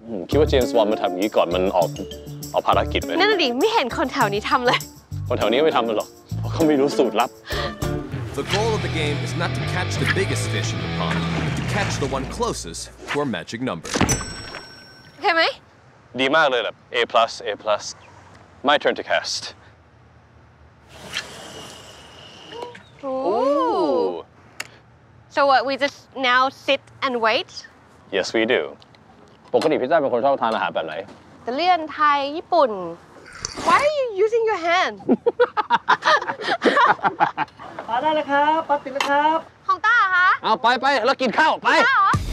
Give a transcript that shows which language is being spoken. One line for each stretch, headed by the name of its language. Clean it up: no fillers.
Thai: คิดว่าเจมส์วอนมาทำอย่างนี้ก่อนมันออกภารกิจไหม นั่นดิไม่เห็นคนแถวนี้ทำเลย คนแถวนี้ไม่ทำเลยหรอเพราะเขาไม่รู้สูตรลับ
English: The goal of the game is not to catch the biggest fish in the pond, but to catch the one closest to our magic number.
Thai: โอเคไหม ดีมากเลยแหละ
English: A plus A plus My turn to cast. Ooh. So what, we just now sit and wait? Yes, we do.
Thai: ปกติพี่จ้าเป็นคนชอบทานอาหารแบบไหน ตะเลียนไทยญี่ปุ่น
English: Why are you using your hand?
Thai: ป้าได้แล้วครับป้าติดแล้วครับ ของต้าฮะ เอาไปไปแล้วกินข้าวไป ข้าวเหรอ